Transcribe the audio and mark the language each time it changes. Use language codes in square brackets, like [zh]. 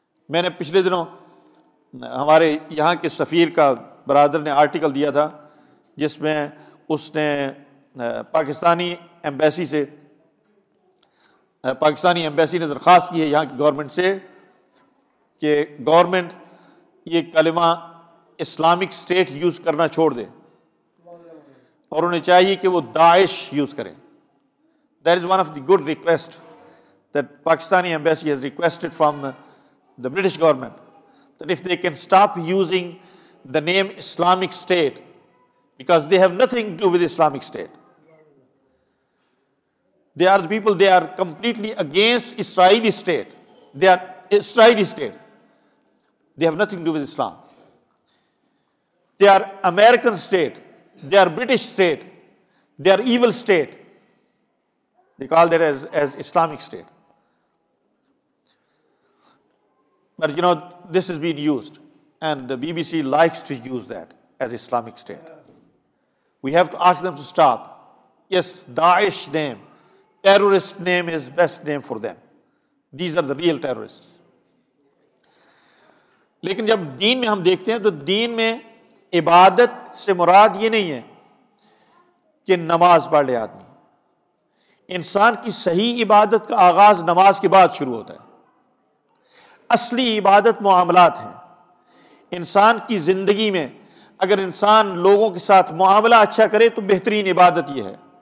[ur] میں نے پچھلے دنوں ہمارے یہاں کے سفیر کا برادر نے آرٹیکل دیا تھا جس میں اس نے پاکستانی ایمبیسی سے، پاکستانی ایمبیسی نے درخواست کی ہے یہاں کی گورنمنٹ سے کہ گورنمنٹ یہ کلمہ اسلامک اسٹیٹ یوز کرنا چھوڑ دے اور انہیں چاہیے کہ وہ داعش یوز کریں. [en] That is one of the good request that Pakistani embassy has requested from the British government that if they can stop using the name Islamic state because they have nothing to with Islamic state. They are the people, they are completely against Israeli state. They are Israeli state. They have nothing to do with Islam. They are American state. They are British state. They are evil state. They call that as Islamic state. But you know, this has been used. And the BBC likes to use that as Islamic State. We have to ask them to stop. Yes, Daesh name, terrorist name is best name for them. These are the real terrorists. [ur] لیکن جب دین میں ہم دیکھتے ہیں تو دین میں عبادت سے مراد یہ نہیں ہے کہ نماز پڑھ لے آدمی. انسان کی صحیح عبادت کا آغاز نماز کے بعد شروع ہوتا ہے. اصلی عبادت معاملات ہیں. انسان کی زندگی میں اگر انسان لوگوں کے ساتھ معاملہ اچھا کرے تو بہترین عبادت یہ ہے.